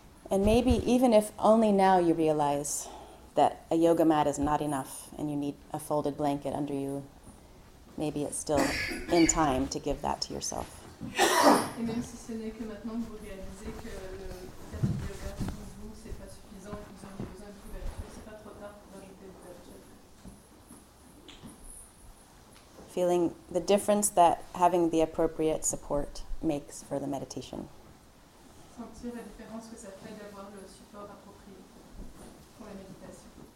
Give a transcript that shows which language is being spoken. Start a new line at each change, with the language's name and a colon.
English: And maybe even if only now you realize that a yoga mat is not enough and you need a folded blanket under you, maybe it's still in time to give that to yourself.
French: Et même si ce n'est que maintenant que vous réalisez que le tapis de yoga pour vous, c'est pas suffisant, que vous avez besoin de couverture, c'est pas trop tard pour ajouter une couverture.
English: Feeling the difference that having the appropriate support makes for the meditation.
French: Sentir la différence que ça fait d'avoir le support approprié pour la méditation.